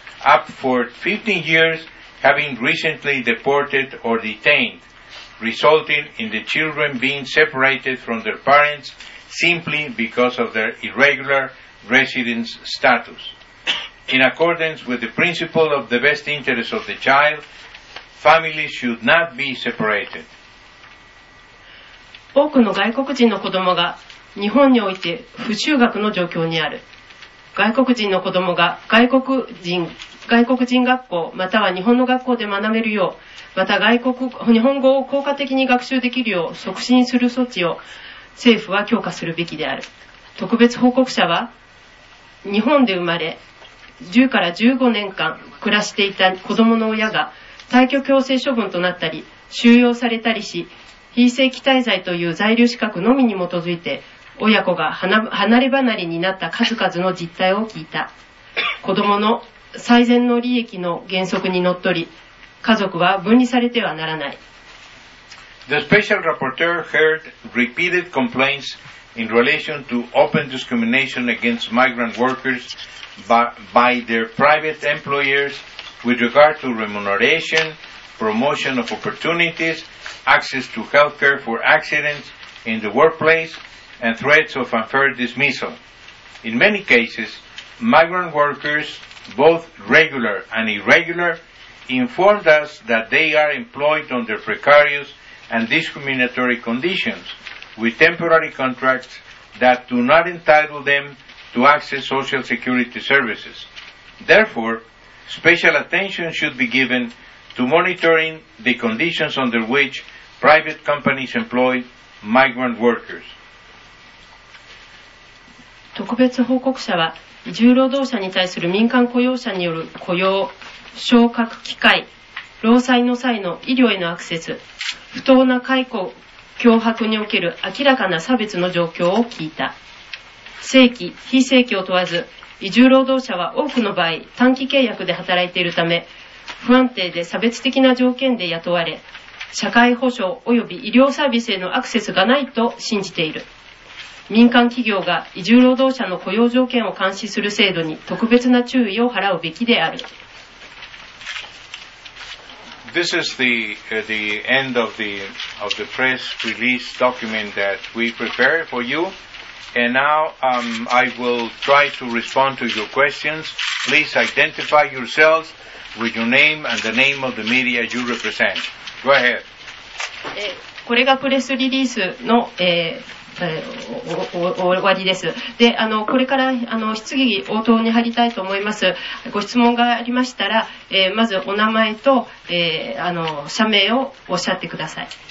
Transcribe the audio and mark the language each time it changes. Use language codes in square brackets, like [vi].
[en] up for 15 years, having recently deported or detained, resulting in the children being separated from their parents simply because of their irregular residence status. In accordance with the principle of the best interest of the child, families should not be separated. [ja] 多くの外国人の子供が日本において不就学の状況にある。外国人の子供が外国人学校または日本の学校で学べるよう、また日本語を効果的に学習できるよう促進する措置を政府は強化するべきである。特別報告者は、日本で生まれ、10から15年間暮らしていた子供の親が退去強制処分となったり、収容されたりし、非正規滞在という在留資格のみに基づいて、親子が離れ離れになった数々の実態を聞いた。子供の最善の利益の原則にのっとり、家族は分離されてはならない。 [en] The special rapporteur heard repeated complaints in relation to open discrimination against migrant workers by their private employers with regard to remuneration, promotion of opportunities, access to healthcare for accidents in the workplace, and threats of unfair dismissal. In many cases, migrant workers, both regular and irregular, informed us that they are employed under precarious and discriminatory conditions with temporary contracts that do not entitle them to access social security services. Therefore, special attention should be given to monitoring the conditions under which private companies employ migrant workers. [ja] 特別報告者は、重労働者に対する民間雇用者による雇用、昇格機会、労災の際の医療へのアクセス、不当な解雇、脅迫における明らかな差別の状況を聞いた。正規、非正規を問わず、移住労働者は多くの場合、短期契約で働いているため、不安定で差別的な条件で雇われ、社会保障及び医療サービスへのアクセスがないと信じている。民間企業が移住労働者の雇用条件を監視する制度に特別な注意を払うべきである。 [en] This is the end of the press release document that we prepared for you. And now, I will try to respond to your questions. Please identify yourselves with your name and the name of the media you represent. Go ahead. [ja] これがプレスリリースの、終わりです。で、これから、質疑応答に入りたいと思います。ご質問がありましたら、まずお名前と、社名をおっしゃってください。